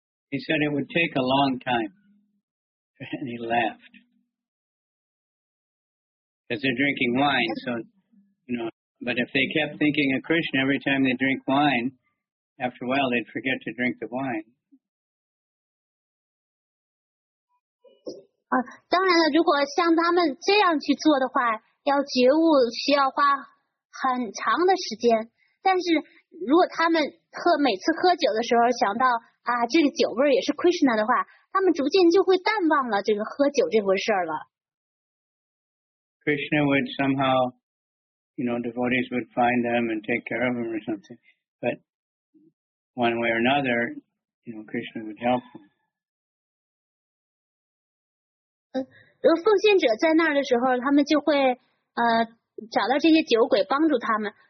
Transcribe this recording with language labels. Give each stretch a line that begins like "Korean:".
English: He said it would take a long time. And he laughed. Because they're drinking wine, so, you know, but if they kept thinking of Krishna every time they drink wine,After a while, they'd forget to drink the wine.
Chinese: 当然了，如果像他们这样去做的话，要觉悟需要花很长的时间。但是如果他们每次喝酒的时候想到啊，这个酒味也是 Krishna 的话，他们逐渐就会淡忘了这个喝酒这回事了。
English: Krishna would somehow, you know, devotees would find them and take care of them or something, but. One way or another, you know, Krishna would help them.
Chinese: 奉献者在那儿的时候，他们就会找到这些酒鬼帮助他们。